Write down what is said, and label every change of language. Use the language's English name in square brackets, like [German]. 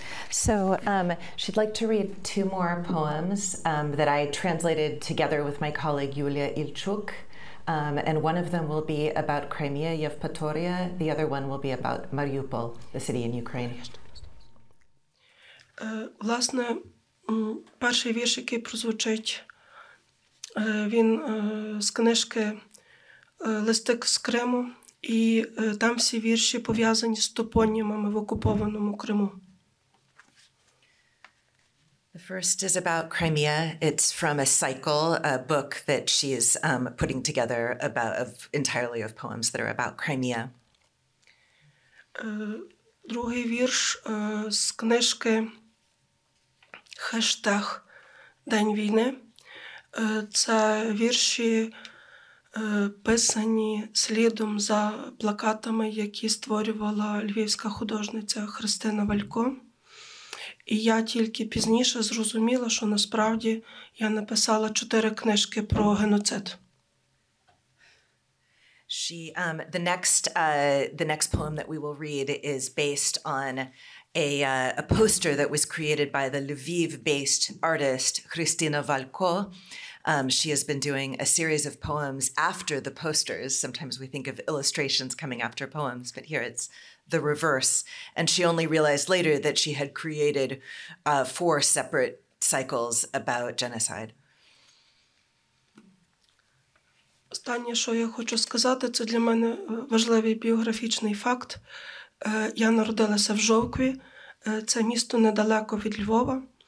[English] So she'd like to read two more poems that I translated together with my colleague Yulia Ilchuk, and one of them will be about Crimea, Yevpatoria, the other one will be about Mariupol, the city in Ukraine. [Ukrainian] Власне, перший вірш, який прозвучить, він з книжки «Листик з Криму», і там всі вірші пов'язані з топонімами в окупованому Криму. [English] The first is about Crimea. It's from a cycle, a book that she's putting together entirely of poems that are about Crimea. [Ukrainian] Другий вірш з книжки хештег «День війни». Це вірші, писані слідом за плакатами, які створювала львівська художниця Христина Валько. І я тільки пізніше зрозуміла, що насправді я написала 4 книжки про геноцид. [English] The next poem that we will read is based on a poster that was created by the Lviv-based artist Christina Valko. She has been doing a series of poems after the posters. Sometimes we think of illustrations coming after poems, but here it's the reverse. And she only realized later that she had created 4 separate cycles about genocide. [Ukrainian] Останнє, що я хочу сказати, це для мене важливий біографічний факт. Я народилася в Жовкві, це місто недалеко від Львова.